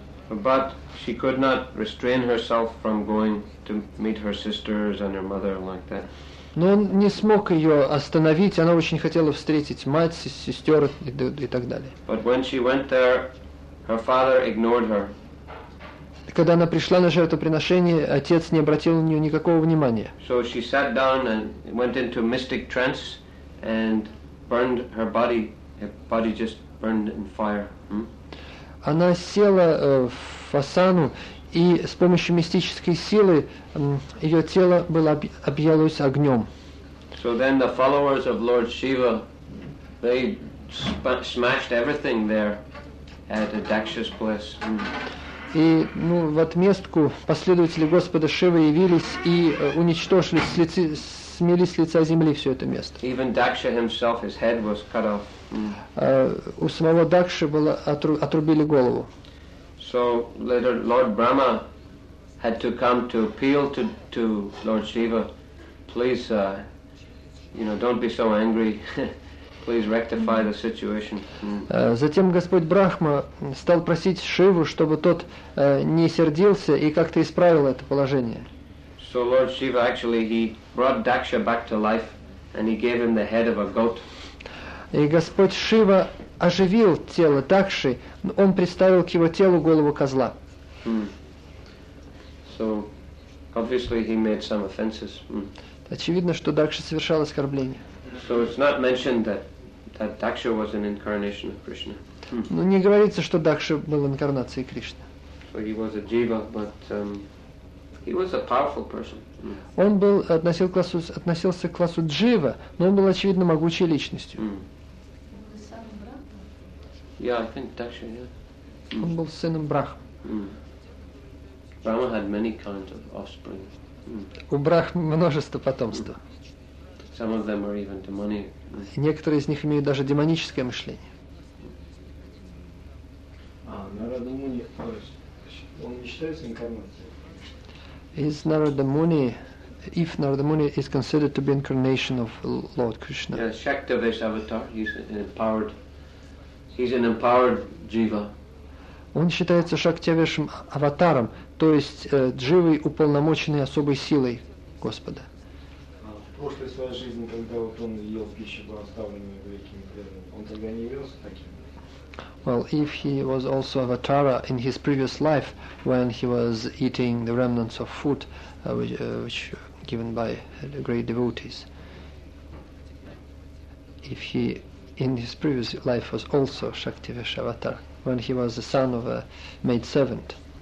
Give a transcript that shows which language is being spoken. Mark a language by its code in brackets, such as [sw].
[en] But she could not restrain herself from going to meet her sisters and her mother like that. [ru] Но он не смог ее остановить, она очень хотела встретить мать, сестер и так далее. [en] But when she went there, her father ignored her. [ru] Когда она пришла на жертвоприношение, отец не обратил на нее никакого внимания. [en] So she sat down and went into mystic trance and burned her body just burned in fire. Hmm? [ru] Она села в асану, и с помощью мистической силы ее тело было объялось огнем. [en] So then the followers of Lord Shiva, they smashed everything there at Daksha's place. Hmm. [ru] И, ну, в отместку последователи Господа Шивы явились и уничтожили, смели с лица земли все это место. [en] Even Daksha himself, his head was cut off. Mm. [ru] У самого Дакши было отрубили голову. [en] So later Lord Brahma had to come to appeal to Lord Shiva, please, you know, don't be so angry. Please rectify the situation. [ru] Затем Господь Брахма стал просить Шиву, чтобы тот не сердился и как-то исправил это положение. [en] So Lord Shiva actually he brought Daksha back to life and he gave him the head of a goat. [ru] И Господь Шива оживил тело Дакши, он приставил к его телу голову козла. [en] Mm. So obviously he made some offenses. Mm. [ru] Очевидно, что Дакша совершал оскорбление. [en] So it's not mentioned that Daksha was an incarnation of Krishna. [ru] Ну не говорится, что Дакша был инкарнацией Кришны. [en] So he was a jiva, but he was a powerful person. Mm. [ru] Он был относился к классу джива, но он был очевидно могучей личностью. Mm. [en] Yeah, I think Daksha. Yeah. [ru] Mm. Он был сыном Брахмы. [en] Mm. Brahma had many kinds of offspring. Mm. [ru] У Брахмы множество потомства. Mm. [en] Some of them are even demonic. [ru] Некоторые из них имеют даже демоническое мышление. Нарада Муни, он не считается инкарнацией. [en] Is Narada Muni, if Narada Muni is considered to be incarnation of Lord Krishna? Yes, Shaktavish avatar. He's an empowered jiva. [ru] Он считается Шактявишем аватаром, то есть дживой, уполномоченной особой силой Господа. В прошлой своей жизни, когда вот он ел пищу, оставленную великими преданными, он тогда не явился таким? [en] Well, if he was also avatara in his previous life, when he was eating the remnants of food which given by the great devotees, if he in his previous life was also Shaktivesh avatar, when he was the son of a maidservant?